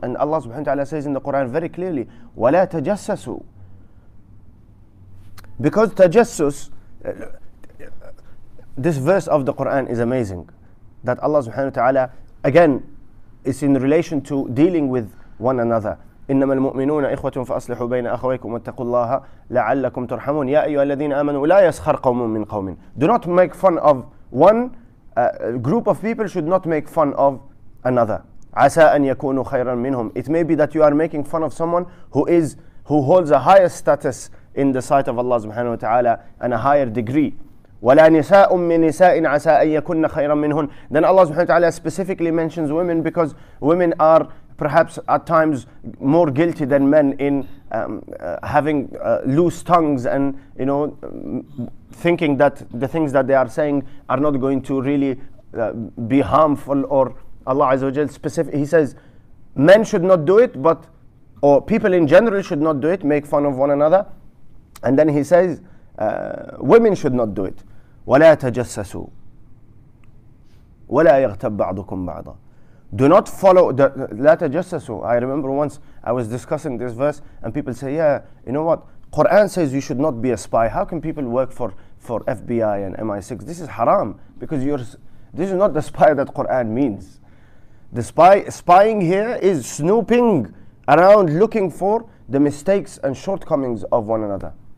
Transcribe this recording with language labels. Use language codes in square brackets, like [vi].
[en] And Allah subhanahu wa ta'ala says in the Quran very clearly, [ar] وَلَا تَجَسَّسُوا. [en] Because tajassus, this verse of the Quran is amazing, that Allah subhanahu wa ta'ala, again, is in relation to dealing with one another. [ar] إنما المؤمنون إخوة فأصلحوا بين أخويكم واتقوا الله لعلكم ترحمون. يا أيها الذين آمنوا لا يسخر قوم من قوم. [en] Do not make fun of one group of people, should not make fun of another. [ar] عسى أن يكونوا خيرا منهم. [en] It may be that you are making fun of someone who holds a higher status in the sight of Allah subhanahu wa ta'ala and a higher degree. [ar] ولا نساء من نساء عسى أن يكون خيرا منهم. [en] Then Allah subhanahu wa ta'ala specifically mentions women because women are perhaps at times more guilty than men in having loose tongues and, you know, thinking that the things that they are saying are not going to really be harmful. Or Allah Azza wa Jalla specific, he says men should not do it, but or people in general should not do it, make fun of one another. And then he says women should not do it. [ar] ولا تجسسوا ولا يغتب بعضكم بعضا. [en] Do not follow the [ar] لا تجسسوا. [en] I remember once I was discussing this verse and people say, yeah, you know what? Quran says you should not be a spy. How can people work for FBI and MI6? This is haram, because this is not the spy that Quran means. The spying here is snooping around looking for the mistakes and shortcomings of one another.